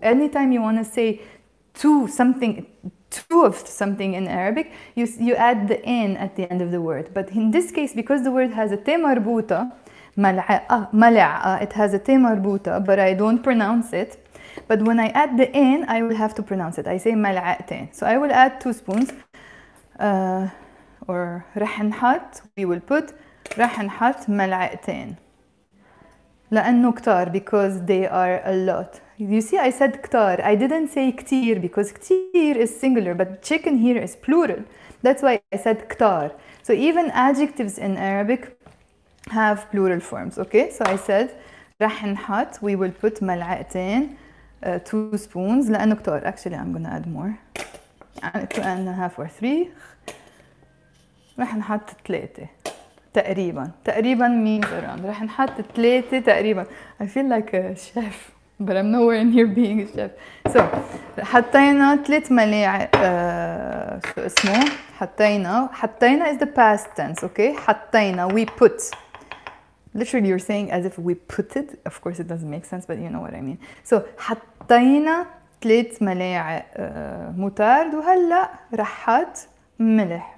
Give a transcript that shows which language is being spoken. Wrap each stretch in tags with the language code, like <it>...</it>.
<en>Anytime you wanna say two something, two of something in Arabic, you add the N at the end of the word. But in this case, because the word has a T مربوطة, ملعقة, it has a T مربوطة, but I don't pronounce it. But when I add the N, I will have to pronounce it. I say ملعقتين. So I will add two spoons.</en> <ar>Or رح نحط,</ar> <en>we will put,</en> <ar>رح نحط ملعقتين. لأنه كتار,</ar> <en>because they are a lot. You see, I said كتار. I didn't say كتير, because كتير is singular, but chicken here is plural. That's why I said كتار. So even adjectives in Arabic have plural forms. Okay, so I said</en> <ar>رح نحط,</ar> <en>we will put ملعقتين. Two spoons,</en> <ar>لأنه كتار.</ar> <en>Actually, I'm gonna add more. Two and a half or three.</en> <ar>رح نحط تلاتة تقريبا. تقريبا</ar> <en>means around.</en> <ar>رح نحط تلاتة تقريبا.</ar> <en>I feel like a chef, but I'm nowhere near being a chef.</en> <ar>So, حطينا تلات ملاعق. شو اسمه؟ حطينا.</ar> <en>حطينا is the past tense, okay? حطينا. We put. Literally, you're saying as if we put it. Of course, it doesn't make sense, but you know what I mean.</en> <ar>So, حطينا تلات ملاعق مطارد وهلا رحت ملح.</ar>